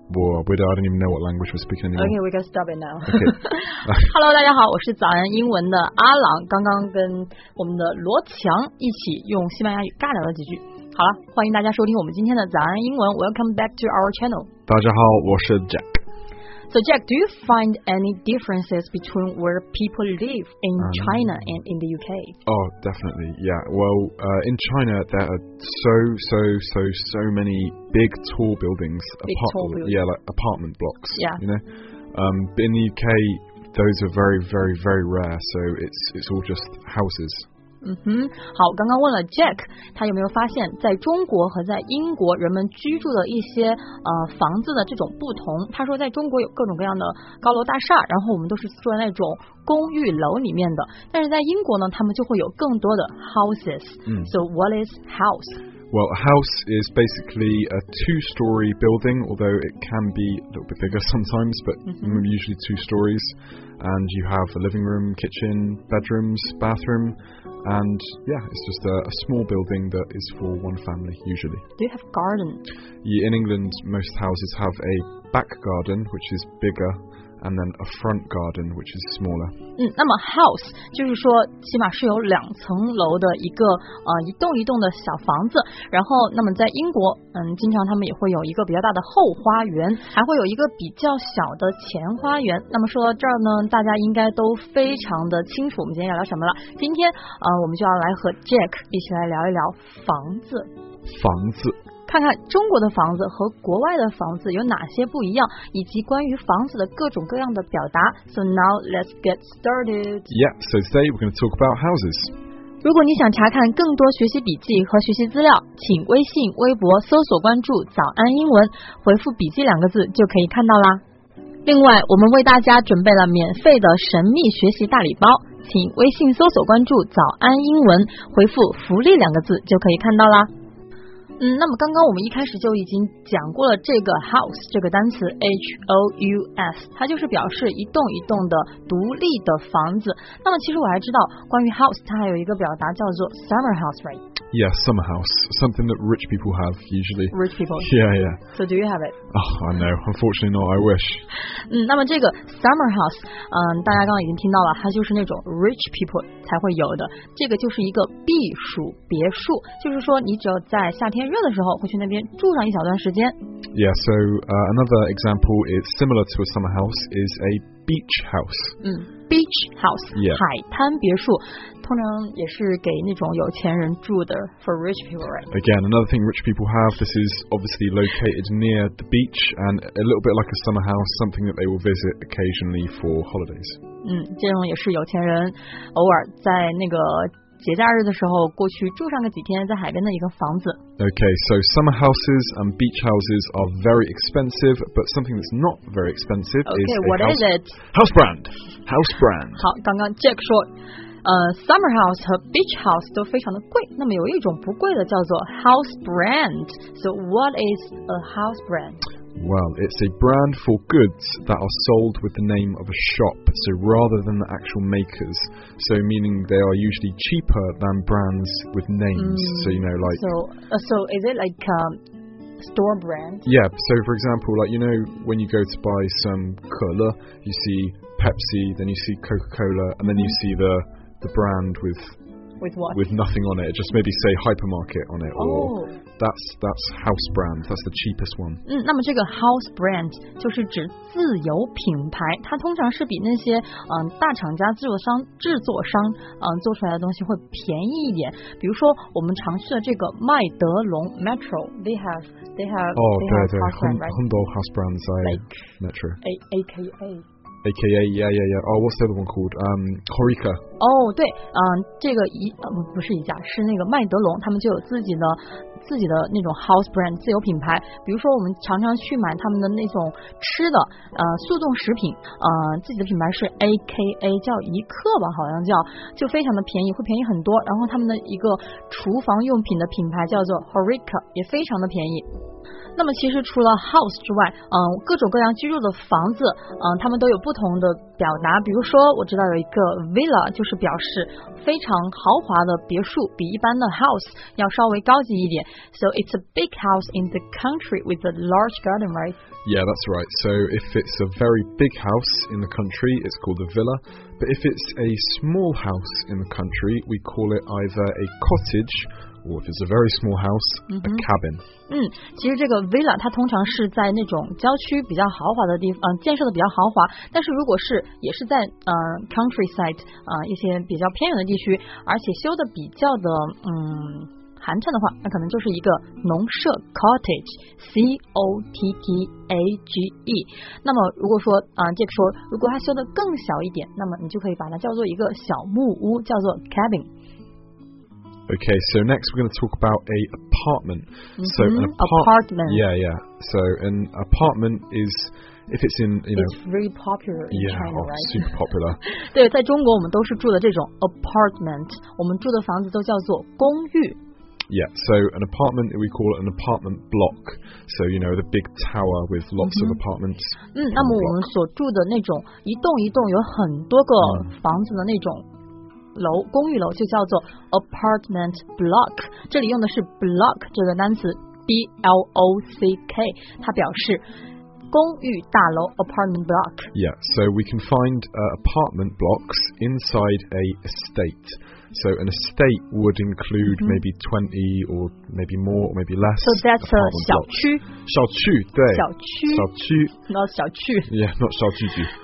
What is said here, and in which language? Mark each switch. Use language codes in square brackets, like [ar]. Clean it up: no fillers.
[en] Whoa, I don't even know what language we're speaking anymore. Okay, we can stop it now. Okay. [zh] Hello, 大家好，我是早安英文的阿朗，刚刚跟我们的罗强一起用西班牙语尬聊了几句。好了，欢迎大家收听我们今天的早安英文。 [en] Welcome back to our channel. [zh] 大家好，我是 Jack. [en] So Jack, do you find any differences between where people live in China and in the UK? Oh, definitely. Yeah. Well, in China, there are so many big tall buildings. Big tall buildings. Yeah, like apartment blocks. Yeah. You know, but in the UK, those are very, very, very rare. So it's all just houses. [zh] 嗯哼，好，刚刚问了 Jack， 他有没有发现在中国和在英国人们居住的一些房子的这种不同？他说在中国有各种各样的高楼大厦，然后我们都是住在那种公寓楼里面的，但是在英国呢，他们就会有更多的 houses。嗯 [en] ，So what is house？ Well, a house is basically a two-story building, although it can be a little bit bigger sometimes, but usually two stories. And you have a living room, kitchen, bedrooms, bathroom. And yeah, it's just a small building that is for one family, usually. Do you have a garden? Yeah, in England, most houses have a back garden, which is bigger. And then a front garden, which is smaller. [zh] 嗯，那么 house 就是说，起码是有两层楼的一个一栋一栋的小房子。然后，那么在英国，经常他们也会有一个比较大的后花园，还会有一个比较小的前花园。那么说到这儿呢，大家应该都非常的清楚我们今天要聊什么了。今天我们就要来和 Jack 一起来聊一聊房子。房子。看看中国的房子和国外的房子有哪些不一样，以及关于房子的各种各样的表达。 [en] So now let's get started. Yeah, so today we're going to talk about houses. [zh] 如果你想查看更多学习笔记和学习资料，请微信、微博搜索关注“早安英文”，回复“笔记”两个字就可以看到啦。另外，我们为大家准备了免费的神秘学习大礼包，请微信搜索关注“早安英文”，回复“福利”两个字就可以看到啦。那么刚刚我们一开始就已经讲过了这个 house 这个单词 H-O-U-S， 它就是表示一栋一栋的独立的房子。那么其实我还知道关于 house 它还有一个表达叫做 [en] summer house, right? Yeah, summer house. Something that rich people have usually. Rich people. Yeah, yeah. So do you have it? Oh, I know. Unfortunately not. I wish. [zh] 那么这个 summer house, 大家刚刚已经听到了，它就是那种 [en] rich people [zh] 才会有的。这个就是一个避暑别墅，就是说你只有在夏天天热的时候会去那边住上一小段时间。 [en] Yeah, so another example is similar to a summer house is a beach house. Beach house, yeah. [zh] 海滩别墅，通常也是给那种有钱人住的 [en] for rich people, right? Again, another thing rich people have, this is obviously located near the beach and a little bit like a summer house, something that they will visit occasionally for holidays. [zh] 这种也是有钱人偶尔在那个节假日的时候过去住上个几天，在海边的一个房子。 [en] Okay, so summer houses and beach houses are very expensive, but something that's not very expensive okay, okay. What house, is it? House brand. House brand. [zh] 好，刚刚 Jack 说，summer house 和 beach house 都非常的贵。那么有一种不贵的叫做 house brand. [en] So what is a house brand? Well, it's a brand for goods that are sold with the name of a shop. So rather than the actual makers, so meaning they are usually cheaper than brands with names. So you know, like so is it like store brand? Yeah. So for example, like you know, when you go to buy some cola, you see Pepsi, then you see Coca-Cola, and then you see the brand with. With what? With nothing on it. Just maybe say hypermarket on it. Oh. That's house brand. That's the cheapest one. [zh] 那么这个 house brand 就是指自有品牌，它通常是比那些大厂家制作商做出来的东西会便宜一点。比如说我们常去的这个麦德龙 Metro, [en] they have oh, they 对 have [zh] 对 Hundo [en] house brand side like, Metro. AKA. AKA, yeah, yeah, yeah. Oh, what's the other one called? Horeca. [zh] Oh, 对，这个不是一家，是那个麦德龙，他们就有自己的那种 house brand 自有品牌。比如说，我们常常去买他们的那种吃的，速冻食品，自己的品牌是 AKA， 叫一克吧，好像叫，就非常的便宜，会便宜很多。然后他们的一个厨房用品的品牌叫做 Horeca， 也非常的便宜。那么其实除了 house 之外，各种各样居住的房子，他们都有不同的表达。比如说我知道有一个 villa， 就是表示非常豪华的别墅，比一般的 house 要稍微高级一点。 [en] So it's a big house in the country with a large garden, right? Yeah, that's right. So if it's a very big house in the country, it's called a villa. But if it's a small house in the country, we call it either a cottage or if it's a very small house, a cabin. [zh] 其实这个 villa 它通常是在那种郊区比较豪华的地方，建设的比较豪华。但是如果是也是在countryside 一些比较偏远的地区，而且修的比较的寒碜的话，那可能就是一个农舍 cottage, C-O-T-T-A-G-E。那么如果说Jack 说如果它修的更小一点，那么你就可以把它叫做一个小木屋，叫做 cabin。 [en] Okay, so next we're going to talk about a apartment. So an apartment. Yeah. So an apartment is... If it's in, you know, it's very popular in China, right? Super popular. [zh] 对，在中国我们都是住的这种 apartment， 我们住的房子都叫做公寓。 [en] Yeah, so an apartment, we call it an apartment block. So, you know, the big tower with lots of apartments. [zh] 那么我们所住的那种一栋一栋有很多个房子的那种楼，公寓楼就叫做 apartment block. 这里用的是 block 这个单词 ，B-L-O-C-K， 它表示。公寓大楼 apartment block. [en] Yeah, so we can find apartment blocks inside a estate. So an estate would include maybe 20 or maybe more or maybe less. So that's a 小区。 [zh] 小区，对。小区。小区。 [en] Not 小区。 Yeah, not 小区区。